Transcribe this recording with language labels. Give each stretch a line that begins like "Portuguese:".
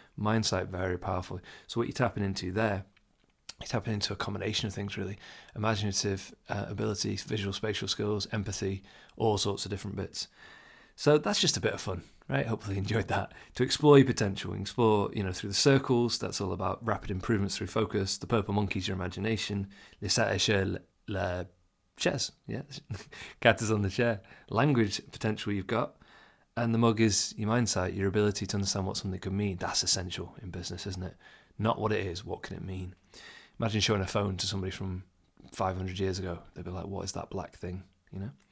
English: Mindset, very powerful. So what you're tapping into there, you're tapping into a combination of things, really. Imaginative abilities, visual spatial skills, empathy, all sorts of different bits. So that's just a bit of fun, right? Hopefully you enjoyed that. To explore your potential, explore, you know, through the circles, that's all about rapid improvements through focus. The purple monkey's your imagination.
French: Le chat est sur la chaise.
English: Yeah, cat is on the chair. Language potential you've got. And the mug is your mindset, your ability to understand what something could mean. That's essential in business, isn't it? Not what it is, what can it mean? Imagine showing a phone to somebody from 500 years ago. They'd be like, what is that black thing, you know?